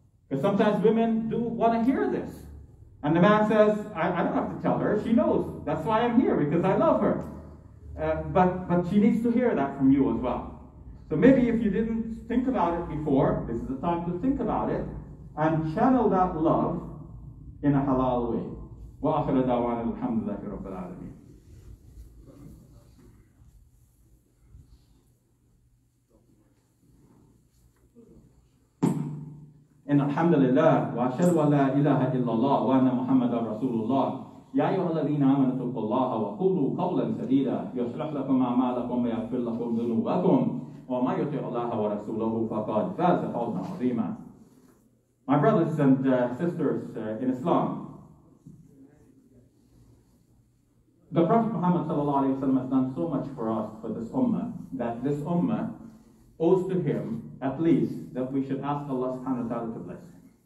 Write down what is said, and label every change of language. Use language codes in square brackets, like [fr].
[en] But sometimes women do want to hear this. And the man says, I don't have to tell her. She knows. That's why I'm here, because I love her. But she needs to hear that from you as well. So maybe if you didn't think about it before, this is the time to think about it and channel that love in a halal way. [ar] وآخر دعوانا الحمد لله رب العالمين. إن الحمد لله وأشهد أن لا إله إلا الله وأن محمدا رسول الله. يا أيها الذين آمنوا اتقوا الله وقولوا قولا سديدا يصلح لكم أعمالكم ويغفر لكم ذنوبكم ومن يطع الله ورسوله فقد فاز فوزا عظيما. [en] My brothers and sisters in Islam, the Prophet Muhammad sallallahu alaihi wasallam has done so much for us, for this ummah, that this ummah owes to him at least that we should ask Allah subhanahu wa ta'ala to bless him.